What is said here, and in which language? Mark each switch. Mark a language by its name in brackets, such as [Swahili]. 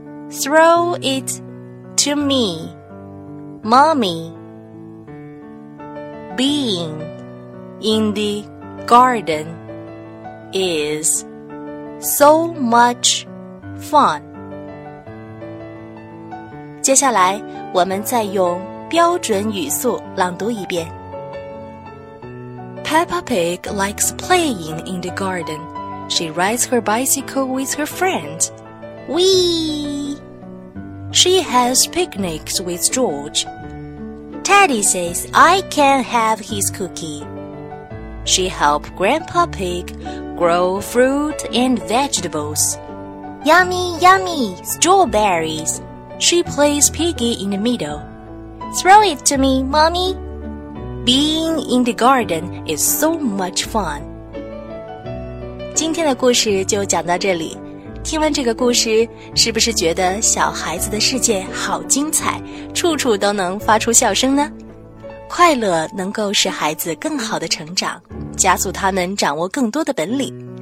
[English] Throw it to me, mommy. Being in the garden is so much fun. [Chinese] 接下来我们再用标准语速朗读一遍。 [English] Peppa Pig likes playing in the garden. She rides her bicycle with her friends. Whee! She has picnics with George. Teddy says I can have his cookie. She helped Grandpa Pig grow fruit and vegetables. Yummy, yummy, strawberries. She plays piggy in the middle. Throw it to me, mommy. Being in the garden is so much fun. [Chinese] 今天的故事就讲到这里。听完这个故事，是不是觉得小孩子的世界好精彩，处处都能发出笑声呢？快乐能够使孩子更好的成长，加速他们掌握更多的本领。